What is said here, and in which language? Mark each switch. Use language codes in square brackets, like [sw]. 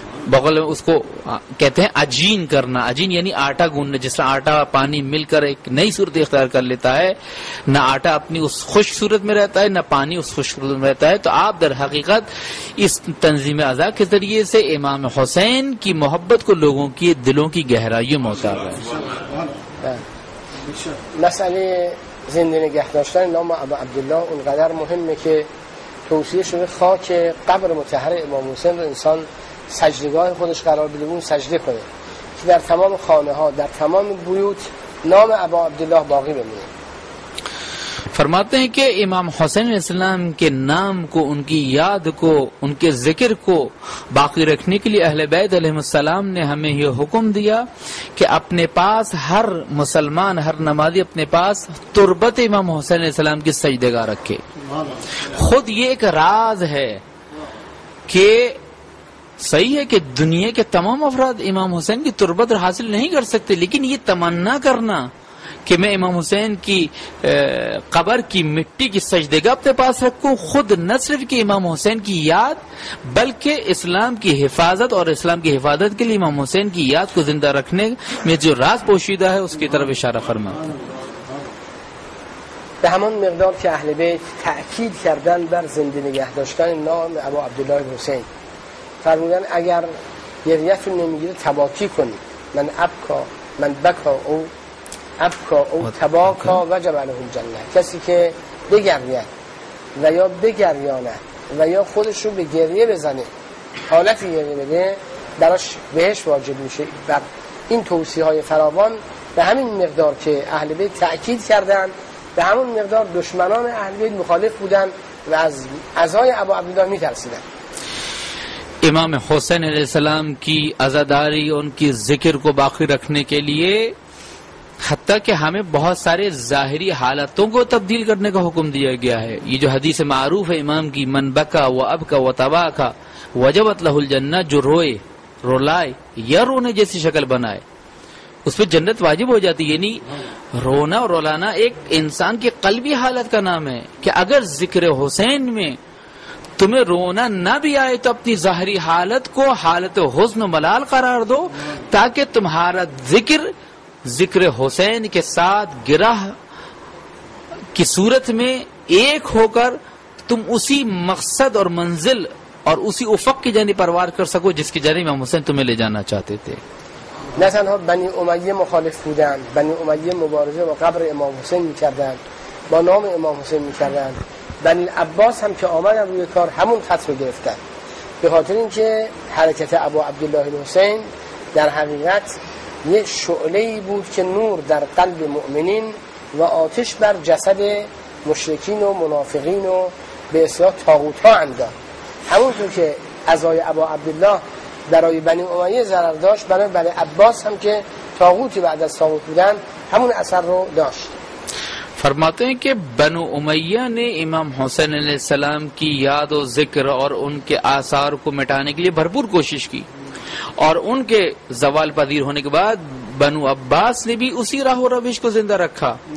[ur] بغل میں اس کو کہتے ہیں عجین کرنا. عجین یعنی آٹا گوننا، جس طرح آٹا اور پانی مل کر ایک نئی صورت اختیار کر لیتا ہے، نہ آٹا اپنی اس خشک صورت میں رہتا ہے نہ پانی اس خشک صورت میں رہتا ہے. تو آپ در حقیقت اس تنظیم عزا کے ذریعے سے امام حسین کی محبت کو لوگوں کی دلوں کی گہرائیوں میں اتار رہے ہیں. [fa] مسئلے زندہ نگہ داشتن نام ابا عبداللہ اونقدر مهمه که توصیه شده خاک قبر مطهر امام حسین رو انسان سجدگاه خودش قرار بده، اون سجده کنه، که در تمام خانه ها، در تمام بیوت نام ابا عبدالله باقی بمونه. [ur] فرماتے ہیں کہ امام حسین علیہ السلام کے نام کو، ان کی یاد کو، ان کے ذکر کو باقی رکھنے کے لیے اہل بیت علیہ السلام نے ہمیں یہ حکم دیا کہ اپنے پاس ہر مسلمان، ہر نمازی اپنے پاس تربت امام حسین علیہ السلام کی سجدگاہ رکھے. خود یہ ایک راز ہے کہ صحیح ہے کہ دنیا کے تمام افراد امام حسین کی تربت حاصل نہیں کر سکتے، لیکن یہ تمنا کرنا کہ میں امام حسین کی قبر کی مٹی کی سجدگاہ اپنے پاس رکھوں، خود نہ صرف کہ امام حسین کی یاد بلکہ اسلام کی حفاظت اور اسلام کی حفاظت کے لیے امام حسین کی یاد کو زندہ رکھنے میں جو راز پوشیدہ ہے اس کی طرف اشارہ فرماتا ہے. [fa] به همان مقدار که اهل بیت تأکید کردن بر زندہ نگه داشتن نام ابا عبداللہ حسین، فرمودن اگر گریت رو نمیگیره تباکی کنی، [ar] من ابکا من بکا او ابکا او تباکا و جمعنه جنه، [fa] کسی که بگرید و یا بگریاند و یا خودش رو به گریه بزنه، حالت گریه بده، براش بهش واجب میشه. و این توصیه های فراوان به همین مقدار که اهل بیت تأکید کردن، به همون مقدار دشمنان اهل بیت مخالف بودن و از عزای ابا عبدالله میترسیدن. [ur] امام حسین علیہ السلام کی عزاداری، ان کی ذکر کو باقی رکھنے کے لیے حتیٰ کہ ہمیں بہت سارے ظاہری حالتوں کو تبدیل کرنے کا حکم دیا گیا ہے. یہ جو حدیث معروف ہے امام کی، [ar] من بکا و ابکا و تباکا وجبت لہ الجنہ، [ur] جو روئے، رولائے یا رونے جیسی شکل بنائے اس پہ جنت واجب ہو جاتی. یعنی رونا اور رولانا ایک انسان کی قلبی حالت کا نام ہے، کہ اگر ذکر حسین میں تمہیں رونا نہ بھی آئے تو اپنی ظاہری حالت کو حالت حزن و ملال قرار دو، تاکہ تمہارا ذکر ذکر حسین کے ساتھ گرہ کی صورت میں ایک ہو کر تم اسی مقصد اور منزل اور اسی افق کی جانب پروار کر سکو جس کی جانب امام حسین تمہیں لے جانا چاہتے تھے. [fa] نہ تنها بنی امیه مخالف بودند، بنی امیه مبارزه با قبر امام حسین میکردند، با نام امام حسین میکردند. بنی عباس هم که آمدن روی کار همون خط رو گرفتن، به خاطر اینکه حرکت ابو عبدالله حسین در حقیقت یه شعله ای بود که نور در قلب مؤمنین و آتش بر جسد مشرکین و منافقین و به اصطلاح طاغوت ها انداخت. همونطور که عزای ابو عبدالله برای بنی امیه ضرر داشت، برای بنی عباس هم که طاغوتی بعد از طاغوت بودن همون اثر رو داشت. [ur] فرماتے ہیں کہ بنو امیہ نے امام حسین علیہ السلام کی یاد و ذکر اور ان کے آثار کو مٹانے کے لیے بھرپور کوشش کی، اور ان کے زوال پذیر ہونے کے بعد بنو عباس نے بھی اسی راہ و روش کو زندہ رکھا،